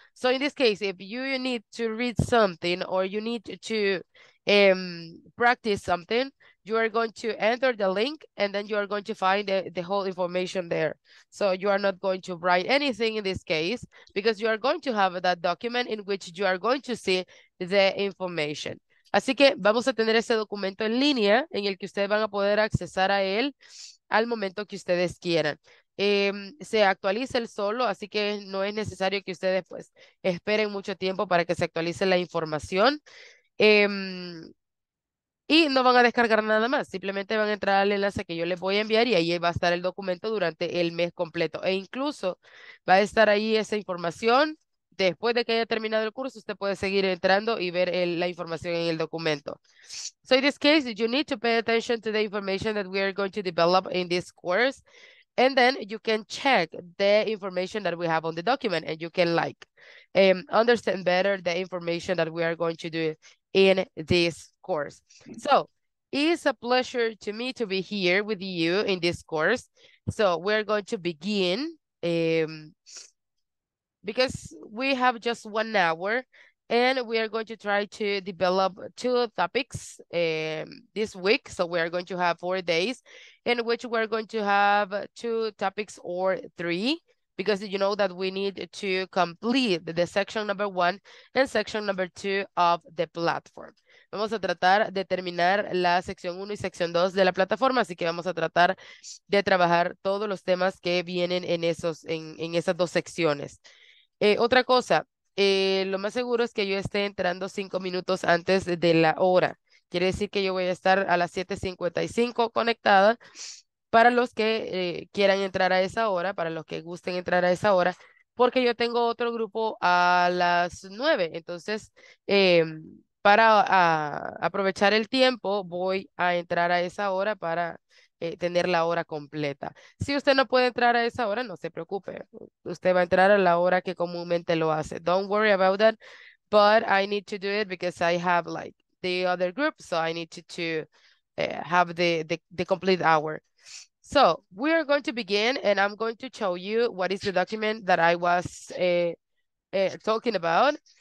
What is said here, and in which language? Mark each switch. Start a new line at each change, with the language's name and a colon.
English: So in this case, if you need to read something or you need to practice something, you are going to enter the link and then you are going to find the whole information there. So you are not going to write anything in this case because you are going to have that document in which you are going to see the information.
Spanish: Así que vamos a tener ese documento en línea en el que ustedes van a poder accesar a él al momento que ustedes quieran. Se actualiza el solo, así que no es necesario que ustedes pues esperen mucho tiempo para que se actualice la información. Y no van a descargar nada más, simplemente van a entrar al enlace que yo les voy a enviar y ahí va a estar el documento durante el mes completo. E incluso va a estar ahí esa información. Después de que haya terminado el curso, usted puede seguir entrando y ver la información en el documento.
English: So in this case, you need to pay attention to the information that we are going to develop in this course. And then you can check the information that we have on the document and you can like understand better the information that we are going to do in this course. So it's a pleasure to me to be here with you in this course. So we're going to begin because we have just 1 hour and we are going to try to develop two topics this week. So we are going to have 4 days in which we're going to have two topics or three, because you know that we need to complete the section number one and section number two of the platform.
Spanish: Vamos a tratar de terminar la sección 1 y sección 2 de la plataforma, así que vamos a tratar de trabajar todos los temas que vienen en en esas dos secciones. Otra cosa, lo más seguro es que yo esté entrando 5 minutos antes de la hora. Quiere decir que yo voy a estar a las 7:55 conectada. Para los que quieran entrar a esa hora, para los que gusten entrar a esa hora, porque yo tengo otro grupo a las 9. Entonces, para aprovechar el tiempo, voy a entrar a esa hora para tener la hora completa. Si usted no puede entrar a esa hora, no se preocupe. Usted va a entrar a la hora que comúnmente lo hace.
English: Don't worry about that, but I need to do it because I have like the other group, so I need to have the complete hour. So we are going to begin, and I'm going to show you what is the document that I was talking about.